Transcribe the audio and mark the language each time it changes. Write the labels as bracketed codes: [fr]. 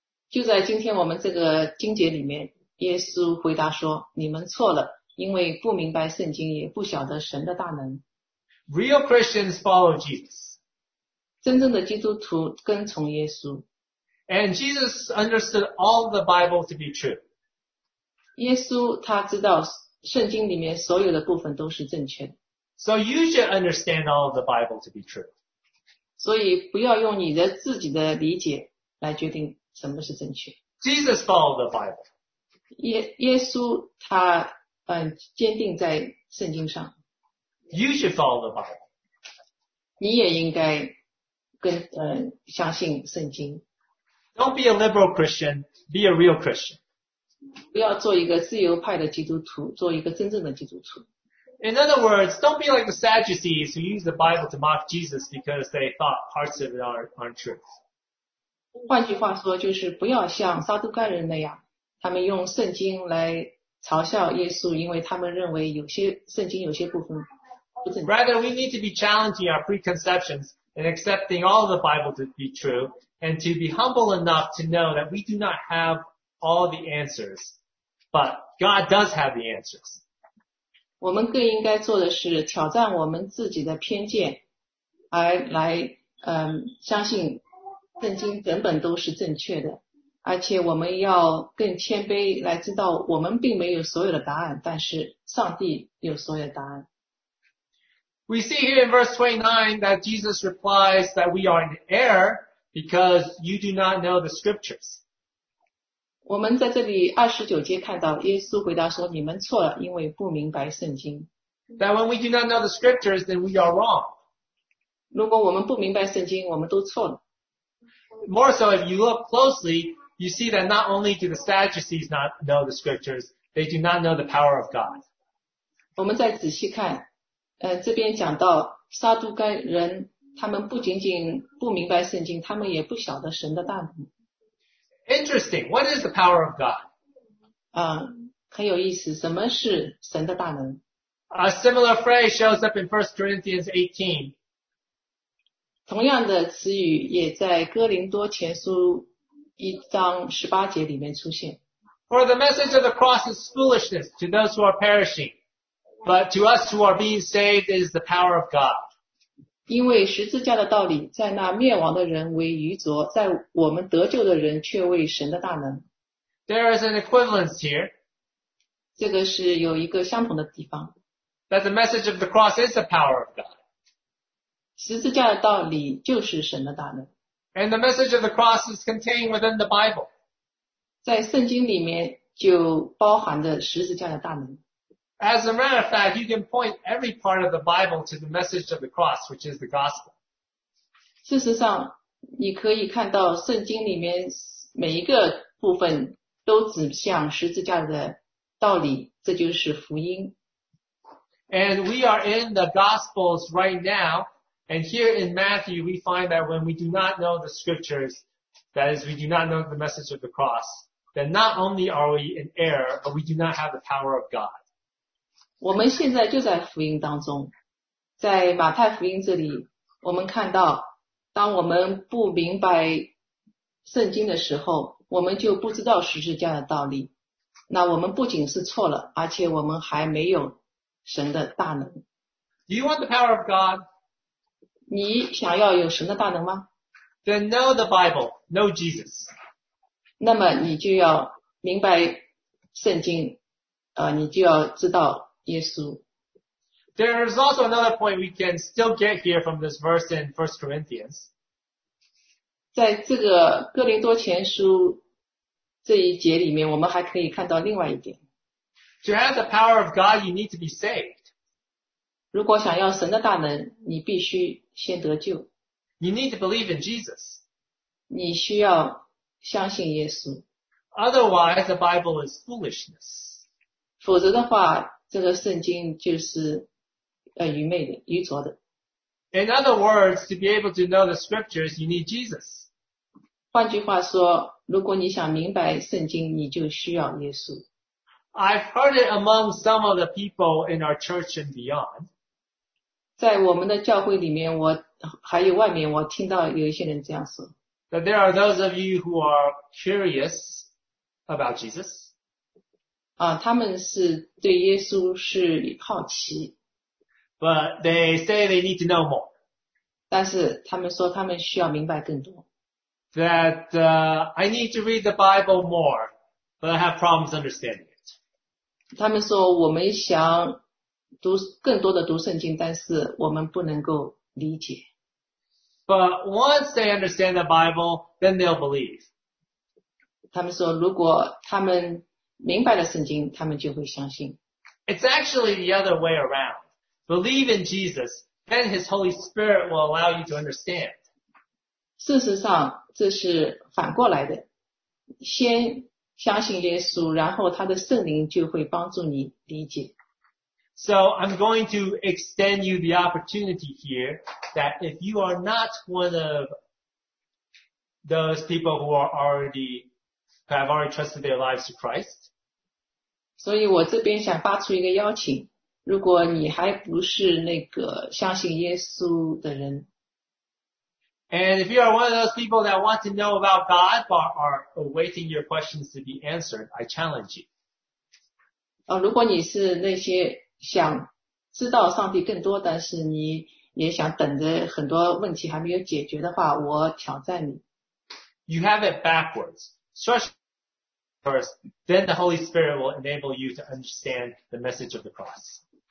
[zh] 就在今天我们这个经节里面，耶稣回答说，你们错了，因为不明白圣经，也不晓得神的大能。 [en] Real Christians follow Jesus. [zh] 真正的基督徒跟从耶稣。 [en] And Jesus understood all the Bible to be true. [zh] 耶稣他知道圣经里面所有的部分都是正确的。 [en] So you should understand all of the Bible to be true. [zh] 所以不要用你的自己的理解来决定什么是正确。 [en] Jesus followed the Bible. [zh] 耶稣他坚定在圣经上。 [en] You should follow the Bible. [zh] 你也应该跟相信圣经。 [en] Don't be a liberal Christian, be a real Christian. [zh] 不要做一个自由派的基督徒，做一个真正的基督徒。 [en] In other words, don't be like the Sadducees who use the Bible to mock Jesus because they thought parts of it aren't true. [zh] 换句话说，就是不要像撒都该人那样，他们用圣经来嘲笑耶稣，因为他们认为有些圣经有些部分不正确。 [en] Rather, we need to be challenging our preconceptions and accepting all of the Bible to be true, and to be humble enough to know that we do not have all the answers, but God does have the answers. [zh] 我们更应该做的是挑战我们自己的偏见，而来相信圣经根本都是正确的，而且我们要更谦卑来知道我们并没有所有的答案，但是上帝有所有的答案。 [en] We see here in verse 29 that Jesus replies that we are in error because you do not know the scriptures. [zh] 我们在这里29节看到耶稣回答说，你们错了，因为不明白圣经。 [en] That when we do not know the scriptures, then we are wrong. [zh] 如果我们不明白圣经，我们都错了。 [en] More so, if you look closely, you see that not only do the Sadducees not know the scriptures, they do not know the power of God. [zh] 我们再仔细看。这边讲到撒都该人他们不仅仅不明白圣经，他们也不晓得神的大能。 [en] Interesting, what is the power of God? [zh] 很有意思，什么是神的大能？ [en] A similar phrase shows up in 1 Corinthians 18. [zh] 同样的词语也在哥林多前书一章十八节里面出现。 [en] For the message of the cross is foolishness to those who are perishing. But to us who are being saved is the power of God. [zh] 因为十字架的道理在那灭亡的人为愚拙，在我们得救的人却为神的大能。 [en] There is an equivalence here. [zh] 这个是有一个相同的地方。 [en] That the message of the cross is the power of God. [zh] 十字架的道理就是神的大能。 [en] And the message of the cross is contained within the Bible. [zh] 在圣经里面就包含着十字架的大能。 [en] As a matter of fact, you can point every part of the Bible to the message of the cross, which is the gospel. [zh] 事实上，你可以看到圣经里面每一个部分都指向十字架的道理，这就是福音。 [en] And we are in the gospels right now, and here in Matthew, we find that when we do not know the scriptures, that is, we do not know the message of the cross, then not only are we in error, but we do not have the power of God. [zh] 我们现在就在福音当中，在马太福音这里，我们看到，当我们不明白圣经的时候，我们就不知道十字架的道理。那我们不仅是错了，而且我们还没有神的大能。 [en] Do you want the power of God? [zh] 你想要有神的大能吗？ [en] Then know the Bible, know Jesus. [zh] 那么你就要明白圣经，你就要知道Yes. [en] There is also another point we can still get here from this verse in 1 Corinthians. [zh] 在这个哥林多前书这一节里面，我们还可以看到另外一点。 [en] To have the power of God, you need to be saved. [zh] 如果想要神的大能，你必须先得救。 [en] You need to believe in Jesus. [zh] 你需要相信耶稣。 [en] Otherwise, the Bible is foolishness. [zh] 否则的话这个圣经就是愚昧的愚拙的。 [en] In other words, to be able to know the scriptures, you need Jesus. [zh] 换句话说，如果你想明白圣经，你就需要耶稣。 [en] I've heard it among some of the people in our church and beyond. [zh] 在我们的教会里面，我还有外面，我听到有一些人这样说。 [en] That there are those of you who are curious about Jesus. [zh] 他们是对耶稣是好奇。 [en] But they say they need to know more. [zh] 但是他们说他们需要明白更多。 [en] That, I need to read the Bible more, but I have problems understanding it. [zh] 他们说我们想读更多的读圣经，但是我们不能够理解。 [en] But once they understand the Bible, then they'll believe. [zh] 他们说如果他们明白了圣经，他们就会相信。 [en] It's actually the other way around. Believe in Jesus, then His Holy Spirit will allow you to understand. [zh] 事实上，这是反过来的。先相信耶稣，然后他的圣灵就会帮助你理解。 [en] So I'm going to extend you the opportunity here that if you are not one of those people who are already have already trusted their lives to Christ. [zh] 所以我这边想发出一个邀请，如果你还不是那个相信耶稣的人。 [en] And if you are one of those people that want to know about God but are awaiting your questions to be answered, I challenge you. [zh] 如果你是那些想知道上帝更多，但是你也想等着很多问题还没有解决的话，我挑战你。 [en] You have it backwards. First, then the Holy Spirit will enable you to understand the message of the cross.